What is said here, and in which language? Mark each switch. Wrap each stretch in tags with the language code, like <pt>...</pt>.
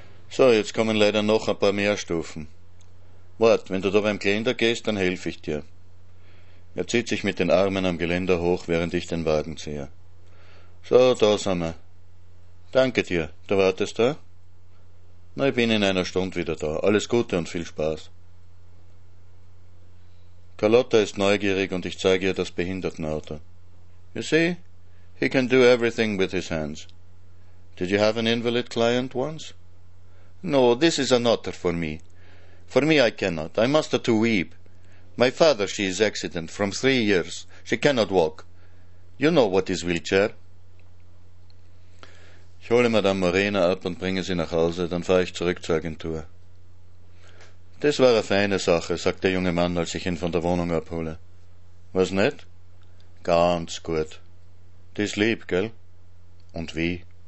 <de>»So, jetzt kommen leider noch ein paar mehr Stufen. Wart, wenn du da beim Geländer gehst, dann helfe ich dir.« Er zieht sich mit den Armen am Geländer hoch, während ich den Wagen ziehe. »So, da sind wir.« »Danke dir. Du wartest da?« »Na, ich bin in einer Stunde wieder da. Alles Gute und viel Spaß.« Carlotta ist neugierig und ich zeige ihr das Behindertenauto.</de> <en>You see, he can do everything with his hands. Did you have an invalid client once? No, this is an otter for me. For me I cannot. I must have to weep. My father, she is accident from 3 years. She cannot walk. You know what is wheelchair.</en> <de>Ich hole Madame Morena ab und bringe sie nach Hause, dann fahre ich zurück zur Agentur. »Das war eine feine Sache«, sagt der junge Mann, als ich ihn von der Wohnung abhole. »Was nicht?« »Ganz gut.« »Die ist lieb, gell?« »Und wie?</de>